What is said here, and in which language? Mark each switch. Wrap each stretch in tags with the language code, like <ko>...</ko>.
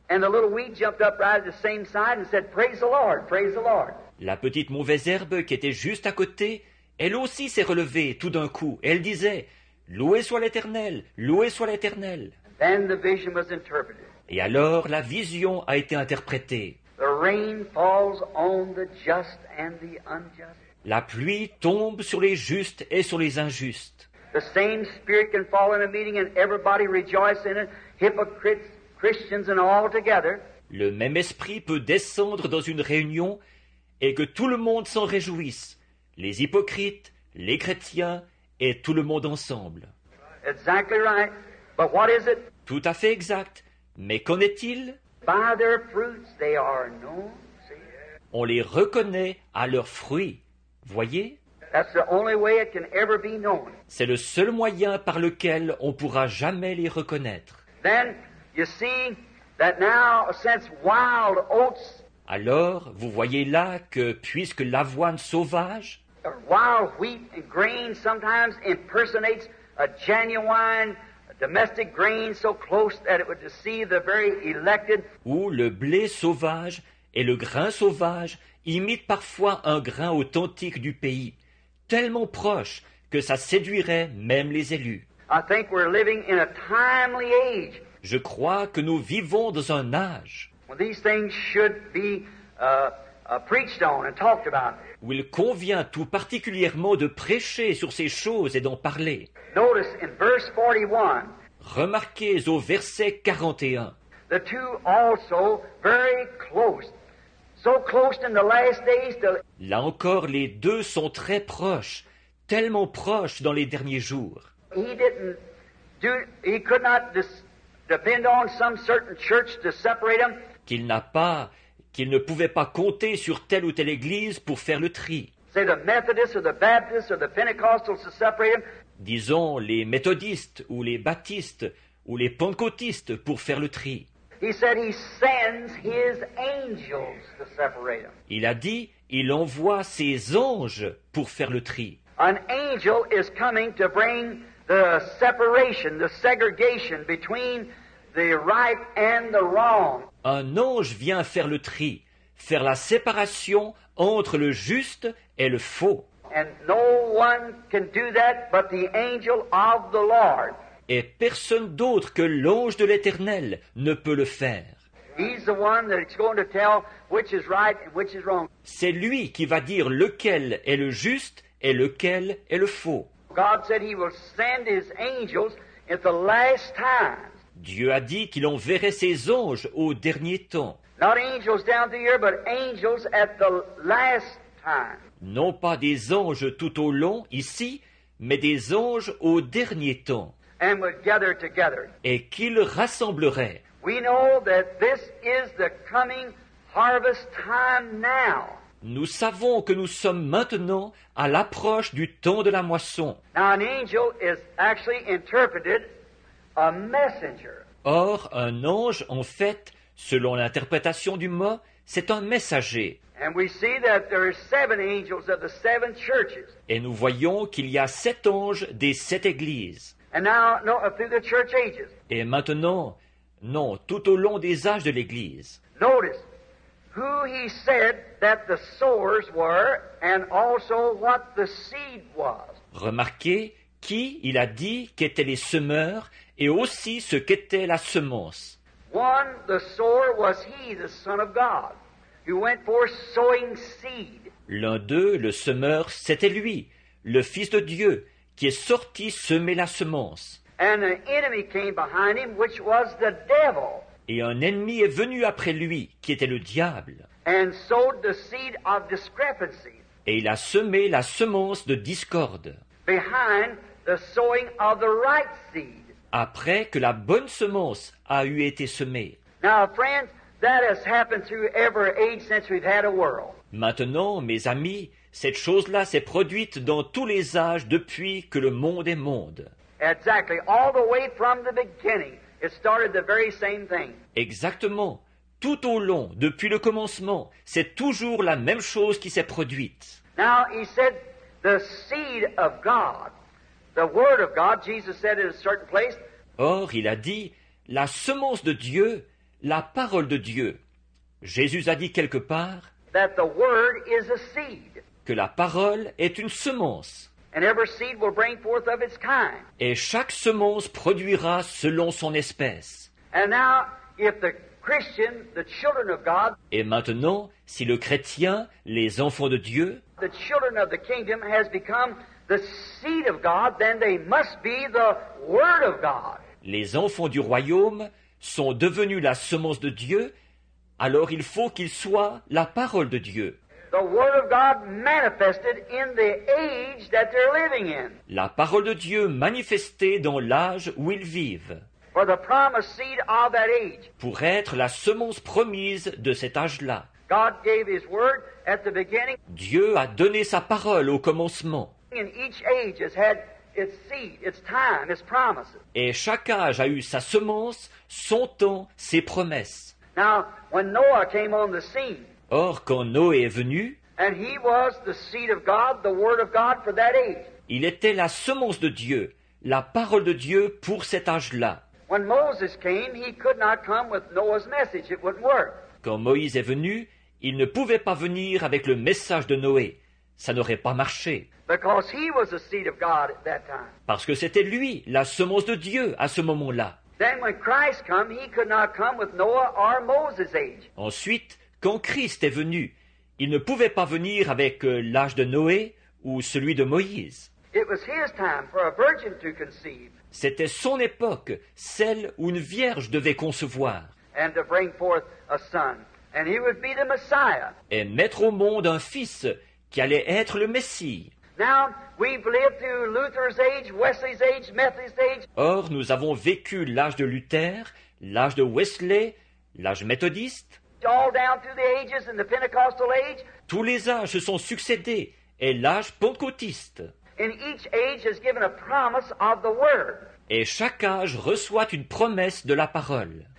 <en>And the little wheat jumped up right at the same side and said, Praise the Lord, praise the Lord.</en> <fr>La petite mauvaise herbe qui était juste à côté, elle aussi s'est relevée tout d'un coup. Elle disait, « Loué soit l'Éternel, loué soit l'Éternel. » Et alors la vision a été interprétée.</fr> <en>The rain falls on the just and the unjust.</en> <fr>La pluie tombe sur les justes et sur les injustes.</fr> <en>The same spirit can fall in a meeting and everybody rejoice in it, hypocrites, Christians and all together.</en> <fr>Le même esprit peut descendre dans une réunion et que tout le monde s'en réjouisse. Les hypocrites, les chrétiens et tout le monde ensemble.</fr> <en>Exactly right. But what is it?</en> <fr>Tout à fait exact. Mais qu'en est-il?</fr> <en>By their fruits, they are known. See?</en> <fr>On les reconnaît à leurs fruits. Voyez?</fr> <en>That's the only way it can ever be known.</en> <fr>C'est le seul moyen par lequel on pourra jamais les reconnaître.</fr> <en>Then you see that now, since wild oats,</en> <fr>alors, vous voyez là que puisque l'avoine sauvage,</fr> <en>wild wheat and grain sometimes impersonates a genuine domestic grain so close that it would deceive the very elected.</en> <fr>Ou le blé sauvage et le grain sauvage imitent parfois un grain authentique du pays, tellement proche que ça séduirait même les élus.</fr> <en>I think we're living in a timely age.</en> <fr>Je crois que nous vivons dans un âge</fr> <en>when these things should be preached on and talked about.</en> <fr>Où il convient tout particulièrement de prêcher sur ces choses et d'en parler.</fr> <en>Notice in verse 41,</en> <fr>remarquez au verset 41.</fr> <en>The two also very close, so close in the last days.</en> <fr>Là encore, les deux sont très proches, tellement proches dans les derniers jours.</fr> <en>He could not depend on some certain church to separate them.</en> <fr>Qu'il ne pouvait pas compter sur telle ou telle église pour faire le tri.</fr> <en>Say the Methodists or the Baptists or the Pentecostals to separate them.</en> <fr>Disons les méthodistes ou les baptistes ou les pentecôtistes pour faire le tri.</fr> <en>He said he sends his angels to separate them.</en> <fr>Il a dit, il envoie ses anges pour faire le tri.</fr> <en>An angel is coming to bring the separation, the segregation between the right and the wrong.</en> <fr>Un ange vient faire le tri, faire la séparation entre le juste et le faux.</fr> <en>And no one can do that but the angel of the Lord.</en> <fr>Et personne d'autre que l'ange de l'Éternel ne peut le faire.</fr> <en>He's the one that's going to tell which is right and which is wrong.</en> <fr>C'est lui qui va dire lequel est le juste et lequel est le faux.</fr> <en>God said he will send his angels at the last time.</en> <fr>Dieu a dit qu'il enverrait ses anges au dernier temps.</fr> <en>Not angels down the year, but angels at the last time.</en> <fr>Non pas des anges tout au long ici, mais des anges au dernier temps.</fr> <en>And would gather together.</en> <fr>Et qu'ils rassembleraient.</fr> <en>We know that this is the coming harvest time now.</en> <fr>Nous savons que nous sommes maintenant à l'approche du temps de la moisson.</fr> <en>Now an angel is actually interpreted. A messenger.</en> <fr>Or, un ange, en fait, selon l'interprétation du mot, c'est un messager.</fr> <en>And we see that there are seven angels of the seven churches.</en> <fr>Et nous voyons qu'il y a sept anges des sept églises.</fr> <en>And now, no, through the church ages.</en> <fr>Et maintenant, non, tout au long des âges de l'Église.</fr> <en>Notice who he said that the sowers were and also what the seed was.</en> <fr>Remarquez qui il a dit qu'étaient les semeurs et aussi ce qu'était la semence.</fr> <en>One, the sower was he, the son of God, who went for sowing seed.</en> <fr>L'un d'eux, le semeur, c'était lui, le Fils de Dieu, qui est sorti semer la semence.</fr> <en>And an enemy came behind him, which was the devil.</en> <fr>Et un ennemi est venu après lui, qui était le diable.</fr> <en>And sowed the seed of discrepancy.</en> <fr>Et il a semé la semence de discorde.</fr> <en>Behind the sowing of the right seed.</en> <fr>Après que la bonne semence a eu été semée.</fr> <en>Now, friends, that has happened through every age since we've had a world.</en> <fr>Maintenant, mes amis, cette chose-là s'est produite dans tous les âges depuis que le monde est monde.</fr> <en>Exactly, all the way from the beginning, it started the very same thing.</en> <fr>Exactement, tout au long, depuis le commencement, c'est toujours la même chose qui s'est produite.</fr> <en>Now, he said, the seed of God. The word of God, Jesus said in a certain place.</en> <fr>Or, il a dit, la semence de Dieu, la parole de Dieu. Jésus a dit quelque part,</fr> <en>that the word is a seed.</en> <fr>Que la parole est une semence.</fr> <en>And every seed will bring forth of its kind.</en> <fr>Et chaque semence produira selon son espèce.</fr> <en>And now, if the Christian, the children of God,</en> <fr>et maintenant, si le chrétien, les enfants de Dieu,</fr> <en>the children of the kingdom has become the seed of God, then they must be the word of God.</en> <fr>Les enfants du royaume sont devenus la semence de Dieu, alors il faut qu'ils soient la parole de Dieu.</fr> <en>The word of God manifested in the age that they're living in.</en> <fr>La parole de Dieu manifestée dans l'âge où ils vivent.</fr> <en>For the promised seed of that age.</en> <fr>Pour être la semence promise de cet âge-là.</fr> <en>God gave his word at the beginning.</en> <fr>Dieu a donné sa parole au commencement.</fr> <en>And each age has had its seed, its time, its promises.</en> <fr>Et chaque âge a eu sa semence, son temps, ses promesses.</fr> <en>Now, when Noah came on the scene,</en> <fr>or quand Noé est venu,</fr> <en>and he was the seed of God, the word of God for that age.</en> <fr>Il était la semence de Dieu, la parole de Dieu pour cet âge-là.</fr> <en>When Moses came, he could not come with Noah's message. It wouldn't work.</en> <fr>Quand Moïse est venu, il ne pouvait pas venir avec le message de Noé. Ça n'aurait pas marché.</fr> <en>Because he was the seed of God at that time.</en> <fr>Parce que c'était lui, la semence de Dieu, à ce moment-là.</fr> <en>Then when Christ came, he could not come with Noah or Moses' age.</en> <fr>Ensuite, quand Christ est venu, il ne pouvait pas venir avec l'âge de Noé ou celui de Moïse.</fr> <en>It was his time for a virgin to conceive.</en> <fr>C'était son époque, celle où une vierge devait concevoir.</fr> <en>And to bring forth a son, and he would be the Messiah.</en> <fr>Et mettre au monde un fils qui allait être le Messie.</fr> <en>Now we've lived through Luther's age, Wesley's age, Methodist age.</en> <fr>Or nous avons vécu l'âge de Luther, l'âge de Wesley, l'âge méthodiste.</fr> <en>All down through the ages and the Pentecostal age.</en> <fr>Tous les âges se sont succédés et l'âge pentecôtiste.</fr> <en>And each age has given a promise of the word.</en> <fr>Et chaque âge reçoit une promesse de la parole.</fr>